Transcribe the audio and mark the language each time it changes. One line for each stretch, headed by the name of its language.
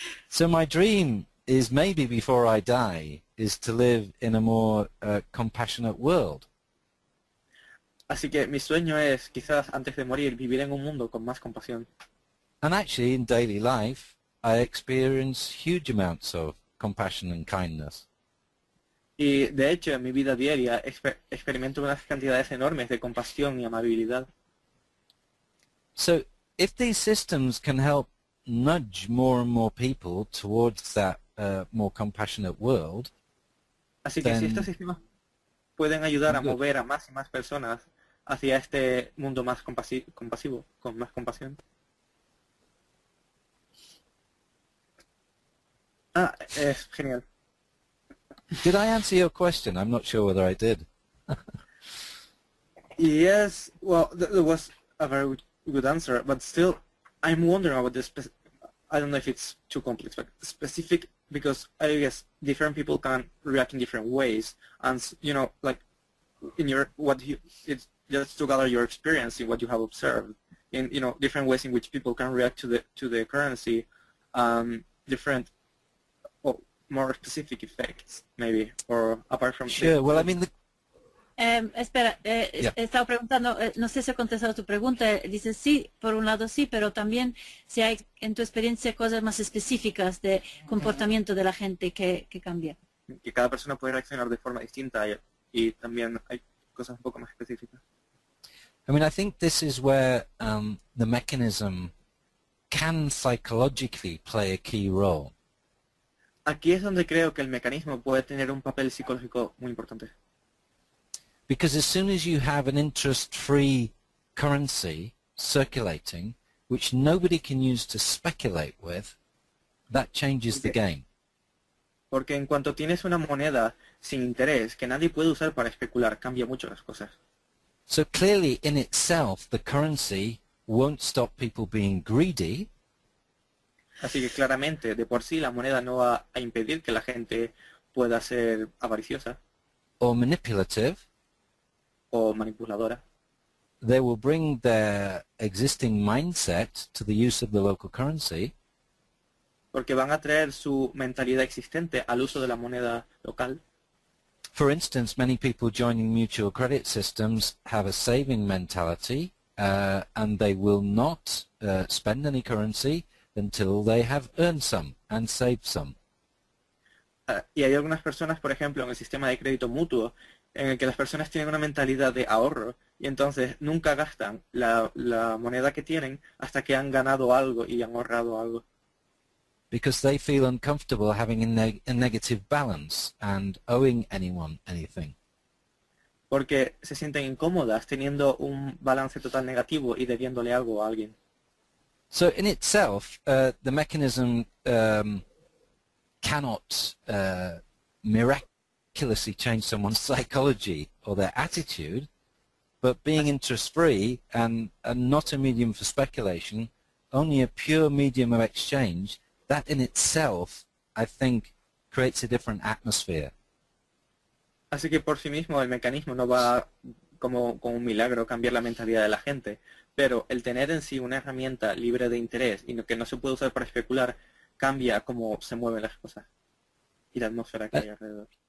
English: So my dream is maybe before I die is to live in a more compassionate world.
Spanish: Así que mi sueño es quizás antes de morir vivir en un mundo con más compasión.
English: And actually in daily life I experience huge amounts of compassion and kindness.
Spanish: Y de hecho en mi vida diaria experimento unas cantidades enormes de compasión y amabilidad.
English: So if these systems can help nudge more and more people towards that more compassionate world.
Spanish: Así que si estos sistemas pueden ayudar a mover a más y más personas hacia este mundo más compasivo, con más compasión. Ah, es genial.
English: Did I answer your question? I'm not sure whether I did. Yes, well, that was a very good answer, but still, I'm wondering about this. I don't know if it's too complex, but specific, because I guess different people can react in different ways. And, you know, like, in your, what you, it's just to gather your experience in what you have observed, in, you know, different ways in which people can react to the currency, different, more specific effects, maybe, or apart from... Sure, well, I mean,
Spanish: Espera, estaba preguntando, no sé si he contestado tu pregunta. Dices sí, por un lado sí, pero también si hay en tu experiencia cosas más específicas de comportamiento de la gente que cambia. Que cada persona puede reaccionar de forma distinta y también hay cosas un poco más específicas.
English: I mean, I think this is where the mechanism can psychologically play a key role.
Spanish: Aquí es donde creo que el mecanismo puede tener un papel psicológico muy importante.
English: Because as soon as you have an interest-free currency circulating, which nobody can use to speculate with, that changes the game.
Spanish: Porque en cuanto tienes una moneda sin interés que nadie puede usar para especular, cambia mucho las cosas.
English: So clearly, in itself, the currency won't stop people being greedy.
Spanish: Así que claramente, de por sí, la moneda no va a impedir que la gente pueda ser avariciosa.
English: Or manipulative.
Spanish: O manipuladora.
English: They will bring their existing mindset to the use of the local currency.
Spanish: Porque van a traer su mentalidad existente al uso de la moneda local.
English: For instance, many people joining mutual credit systems have a saving mentality and they will not spend any currency until they have earned some and saved some.
Spanish: Y hay algunas personas, por ejemplo, en el sistema de crédito mutuo, en el que las personas tienen una mentalidad de ahorro y entonces nunca gastan la moneda que tienen hasta que han ganado algo y han ahorrado algo.
English: Because they feel uncomfortable having a negative balance and owing anyone anything.
Spanish: Porque se sienten incómodas teniendo un balance total negativo y debiéndole algo a alguien.
English: So in itself, the mechanism cannot miraculously change someone's psychology or their attitude, but being interest-free and not a medium for speculation, only a pure medium of exchange, that in itself, I think, creates a different atmosphere.
Spanish: Así que por sí mismo el mecanismo no va como un milagro cambiar la mentalidad de la gente, pero el tener en sí una herramienta libre de interés y que no se puede usar para especular cambia cómo se mueven las cosas y la atmósfera que hay alrededor.